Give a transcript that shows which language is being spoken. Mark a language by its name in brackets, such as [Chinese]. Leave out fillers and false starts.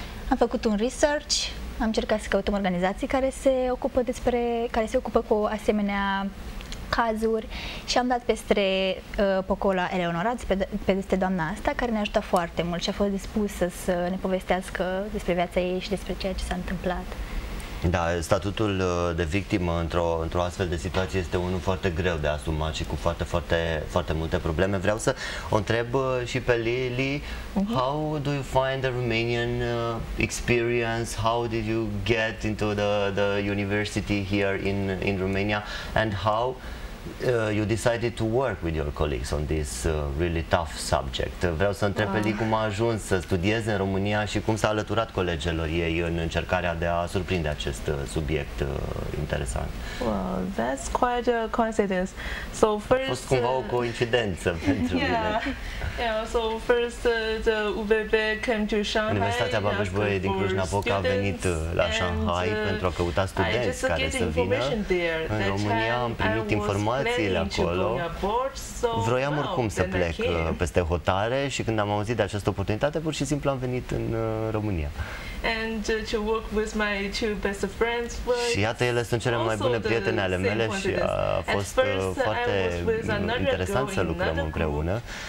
[Romanian] Am făcut un research, am încercat să căutăm organizații care se ocupă despre, care se ocupă cu asemenea cazuri și am dat peste Pocola Eleonora, peste doamna asta, care ne-a ajutat foarte mult și a fost dispusă să ne povestească despre viața ei și despre ceea ce s-a întâmplat. Da, statutul de victimă într-o astfel de situație este unul foarte greu de asumat și cu foarte, foarte, foarte multe probleme. Vreau să o întreb și pe Lily. [English] Uh-huh. How do you find the Romanian experience? How did you get into the university here in Romania? And how you decided to work with your colleagues on this really tough subject? [Romanian] Vreau să întreb pe Lily cum a ajuns să studieze în România și cum s-a alăturat colegelor ei în încercarea de a surprinde acest subiect interesant. [English] Well, that's quite a coincidence. So first, [Romanian] a fost cumva o coincidență pentru mine. [English] Yeah, so first the UBB came to Shanghai. [Romanian] Universitatea Babeș-Bolyai din Cluj-Napoca a venit la Shanghai pentru a căuta studenți care să vină în România. Am primit informațiile acolo. Vroiam oricum să plec peste hotare și când am auzit de această oportunitate, pur și simplu am venit în România. [English] And to work with my two best friends. [Romanian] Și iată, ele sunt cele mai bune prietene ale mele și a fost foarte interesant să lucrăm împreună.